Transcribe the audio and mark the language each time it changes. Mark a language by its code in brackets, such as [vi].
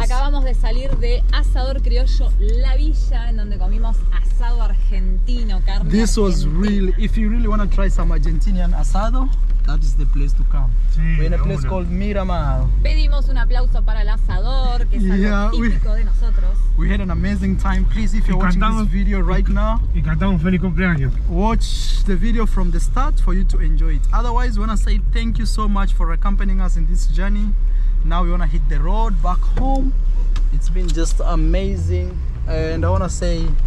[es] Acabamos de salir de Asador Criollo La Villa, en donde comimos asado argentino, carne. [en] This was [es] argentina. [en] Really, if you really want to try some Argentinian asado, that is the place to come. [es] Sí, [en] we're in a place called Miramar. [es] Pedimos un aplauso para el asador, que es algo típico de nosotros. [en] We had an amazing time. Please, if you're watching this video right now, [es] y cantamos feliz cumpleaños. [en] Watch the video from the start for you to enjoy it. Otherwise, we want to say thank you so much for accompanying us in this journey. Now we want to hit the road back home. It's been just amazing. And I want to say...